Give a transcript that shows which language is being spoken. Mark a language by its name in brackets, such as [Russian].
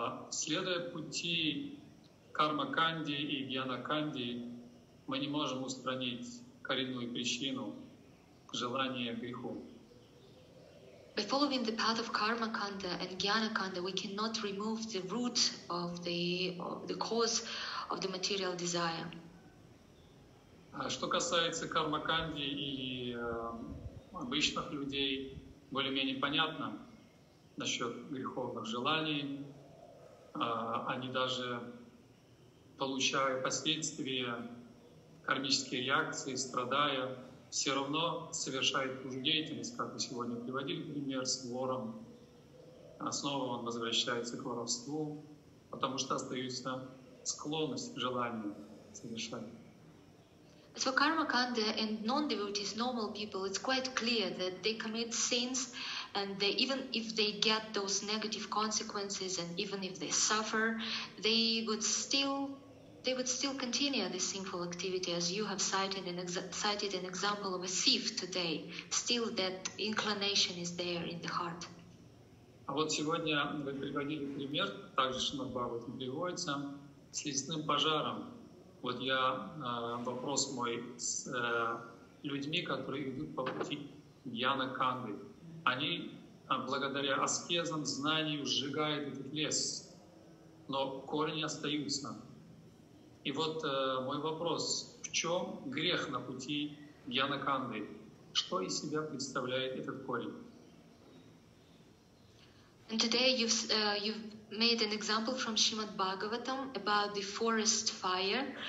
[Russian] Следуя пути Карма Канди и Гьяна Канди, мы не можем устранить коренную причину. Желание греху. [English] By following the path of karma kanda and jnana kanda, we cannot remove the root of the cause of the material desire. [Russian] Что касается кармаканди и обычных людей, более-менее понятно насчет греховных желаний. Они даже получают последствия кармической реакции, страдая, все равно совершают ту же деятельность, как мы сегодня приводили пример с вором. Снова он возвращается к воровству, потому что остается склонность к желанию совершать. [English] As for karmakanda and non-devotees, normal people, it's quite clear that they commit sins, and they, even if they get those negative consequences, and even if they suffer, they would still continue this sinful activity, as you have cited an example of a thief today. Still, that inclination is there in the heart. [Russian] А вот сегодня вы приводили пример, также Шримад Бхагаватам приводится, с лесным пожаром. Вот я вопрос мой с людьми, которые идут по пути Гьяна Канды. Они благодаря аскезам, знанию сжигают этот лес, но корни остаются. И вот мой вопрос, в чем грех на пути Гьяна Канды? Что из себя представляет этот корень? [English] And today you've made an example from Srimad Bhagavatam about the forest fire.